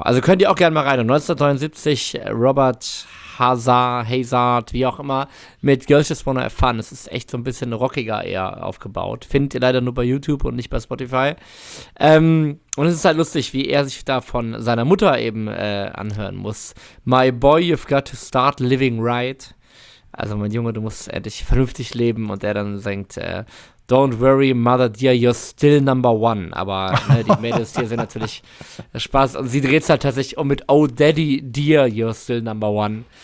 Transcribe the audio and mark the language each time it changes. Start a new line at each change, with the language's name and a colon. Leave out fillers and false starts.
German: Also könnt ihr auch gerne mal rein. 1979, Robert Hazard, wie auch immer, mit Girls Just Wanna Have Fun. Es ist echt so ein bisschen rockiger eher aufgebaut. Findet ihr leider nur bei YouTube und nicht bei Spotify. Und es ist halt lustig, wie er sich da von seiner Mutter eben anhören muss.
English: My boy, you've got to start living right.
German: Also mein Junge, du musst endlich vernünftig leben. Und er dann singt,
English: don't worry, mother dear, you're still number one.
German: Aber ne, die Mädels hier sind natürlich Spaß. Und sie dreht es halt tatsächlich um mit
English: oh daddy dear, you're still number one.